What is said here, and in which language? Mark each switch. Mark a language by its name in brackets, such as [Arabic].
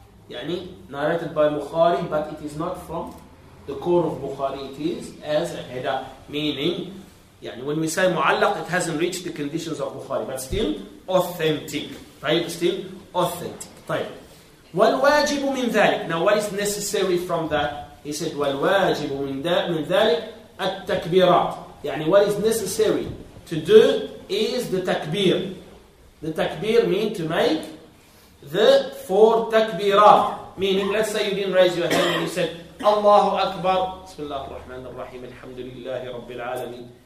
[English] يعني narrated by Bukhari, but it is not from the core of Bukhari. It is as a header, meaning Yeah, when we say mu'allaq, it hasn't reached the conditions of Bukhari, but still authentic. Right? Still authentic. [Arabic] طيب. والواجب من ذلك. [English] Now, what is necessary from that? He said, [Arabic] والواجب من ذلك التكبيرات. [English] يعني what is necessary to do is the takbir. The takbir means to make the four takbirat. Meaning, let's say you didn't raise your hand and you said, Allahu Akbar, Bismillah ar-Rahman ar-Rahim, Alhamdulillahi Rabbil Alameen.